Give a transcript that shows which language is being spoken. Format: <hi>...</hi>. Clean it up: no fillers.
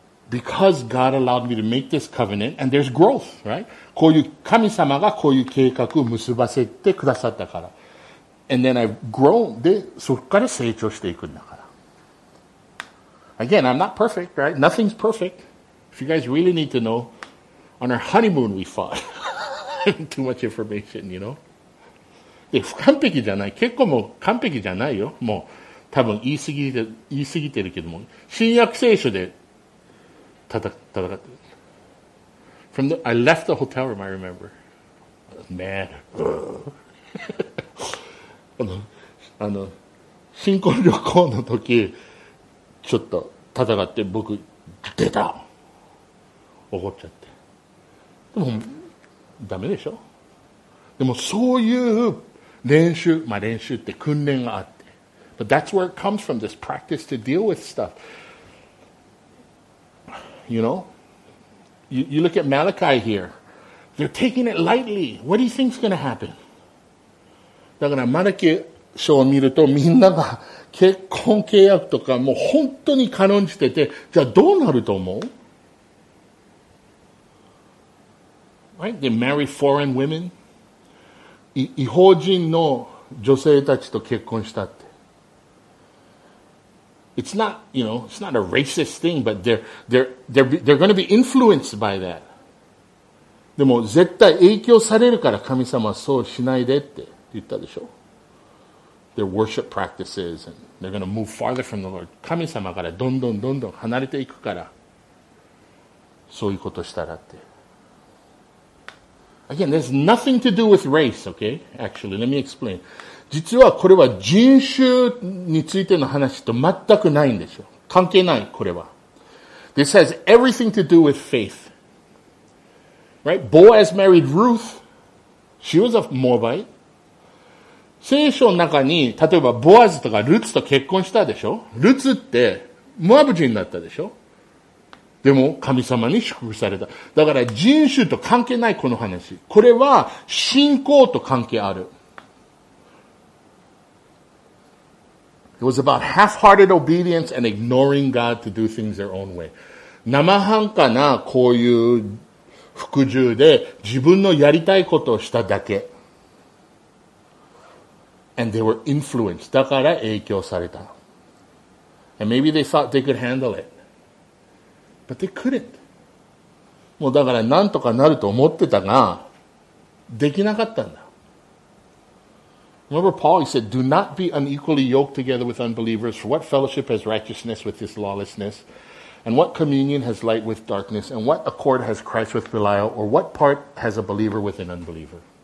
<en>Because God allowed me to make this covenant, and there's growth, right?</en> <ja>こういう神様がこういう計画を結ばせてくださったから。</ja> <en>And then I've grown.</en> <ja>で、そっから成長していくんだから。</ja> <en>Again, I'm not perfect, right? Nothing's perfect. If you guys really need to know, on our honeymoon we fought. Too much information, you know?</en> <ja>で、不完璧じゃない。結構もう完璧じゃないよ。もう、多分言い過ぎてるけども。新約聖書で戦ってる。</ja> <en>I left the hotel room, I remember. Mad.</en> <ja>あの新婚旅行の時ちょっと戦って僕出た、怒っちゃって、でもダメでしょ。でもそういう練習、まあ練習って訓練があって、</ja> <en>But that's where it comes from, this practice to deal with stuff. You know, you look at Malachi here, they're taking it lightly. What do you think is going to happen?</en> <ja>だからマラキ書を見るとみんなが結婚契約とかもう本当に軽んじてて、じゃあどうなると思う？</ja> <en>Right? They marry foreign women.</en> <ja>違法人の女性たちと結婚したって。</ja> <en>It's not, you know, it's not a racist thing, but they're going to be influenced by that.</en> <ja>でも絶対影響されるから神様はそうしないでって言ったでしょ。</ja> <en>Their worship practices, and they're going to move farther from the Lord.</en> <ja>神様からどんどんどんどん離れていくから、そういうことしたらって。</ja> <en>Again, there's nothing to do with race, okay? Actually, let me explain.</en> <ja>実はこれは人種についての話と全くないんですよ。関係ない、これは。</ja> <en>This has everything to do with faith. Right? Boaz married Ruth. She was a Moabite.</en> <ja>聖書の中に例えばボアズとかルツと結婚したでしょ。ルツってモアブ人だったでしょ。でも神様に祝福された。だから人種と関係ないこの話、これは信仰と関係ある。</ja> <en>It was about half-hearted obedience and ignoring God to do things their own way.</en> <ja>生半可なこういう服従で自分のやりたいことをしただけ。</ja> <en>And they were influenced.</en> <ja>だから影響された。</ja> <en>And maybe they thought they could handle it. But they couldn't.</en> <ja>もうだからなんとかなると思ってたが、できなかったんだ。</ja> <en>Remember Paul, he said, Do not be unequally yoked together with unbelievers, for what fellowship has righteousness with this lawlessness? And what communion has light with darkness? And what accord has Christ with Belial? Or what part has a believer with an unbeliever?</en>